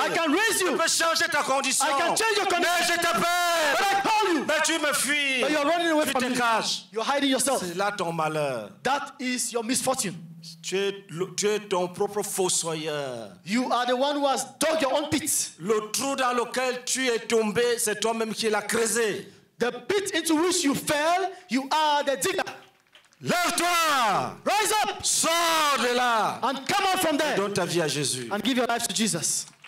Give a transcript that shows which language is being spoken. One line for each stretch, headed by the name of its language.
English: I can raise you.
French: Je peux changer ta condition.
English: I can change your condition.
French: Mais je t'appelle.
English: But I call you.
French: Mais tu me fuis.
English: But you're running away
French: tu
English: from me.
French: Tu te caches.
English: You're hiding yourself.
French: C'est là ton malheur.
English: That is your misfortune.
French: Tu es ton propre fossoyeur.
English: You are the one who has dug your own pit.
French: Le trou dans lequel tu es tombé, c'est toi-même qui l'a creusé.
English: The pit into which you fell, you are the digger.
French: Lève-toi.
English: Rise up.
French: Sors de là.
English: And come out from there.
French: Et donne ta vie à Jésus.
English: And give your life to Jesus.